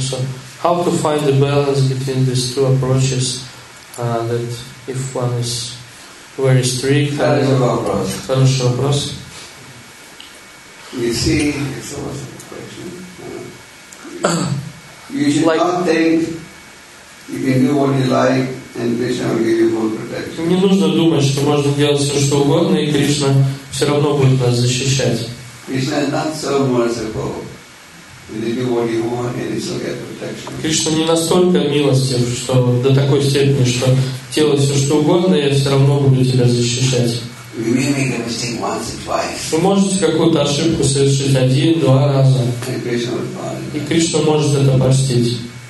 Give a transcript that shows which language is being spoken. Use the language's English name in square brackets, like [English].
[English] So how to find the balance between these two approaches, that if one is very strict? [Russian] Хороший вопрос. [English] You see, it's almost a question. You should like, not think you can do what you like and Krishna will give you full protection. [Russian] Не нужно думать, что можно делать все, что угодно, и Кришна все равно будет нас защищать. [English] Krishna is not so merciful. You can do what you want and you still get protection. [Russian] Кришна не настолько милостив, что до такой степени, что делать все, что угодно, и я все равно буду тебя защищать. [English] You may make a mistake once or twice. [Russian] Вы можете какую-то ошибку совершить один-два раза. И Кришна может это простить.